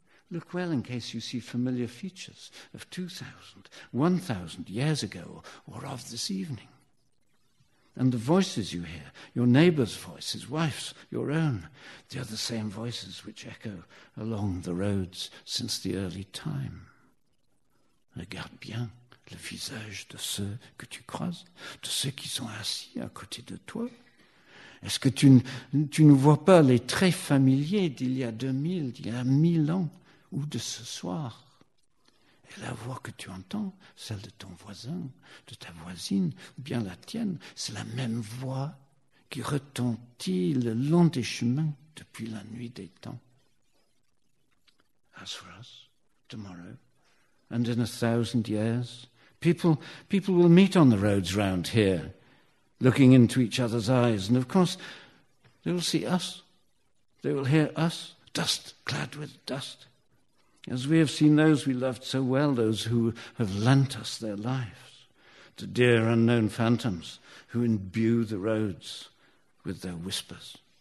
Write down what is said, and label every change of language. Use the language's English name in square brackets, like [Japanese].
[English] Look well in case you see familiar features of 2,000, 1,000 years ago or of this evening. And the voices you hear, your neighbor's voice, his wife's, your own, they are the same voices which echo along the roads since the early time. [French] Regarde bien le visage de ceux que tu croises, de ceux qui sont assis à côté de toi. Est-ce que tu ne vois pas les traits familiers d'il y a 2000, d'il y a 1000 ans, ou de ce soir? Et la voix que tu entends, celle de ton voisin, de ta voisine, ou bien la tienne, c'est la même voix qui retentit le long des chemins depuis la nuit des temps. [English] As for us, tomorrow, and in 1,000 years, people will meet on the roads round here, looking into each other's eyes, and of course they will see us. They will hear us, dust clad with dust. As we have seen those we loved so well, those who have lent us their lives, the dear unknown phantoms who imbue the roads with their whispers.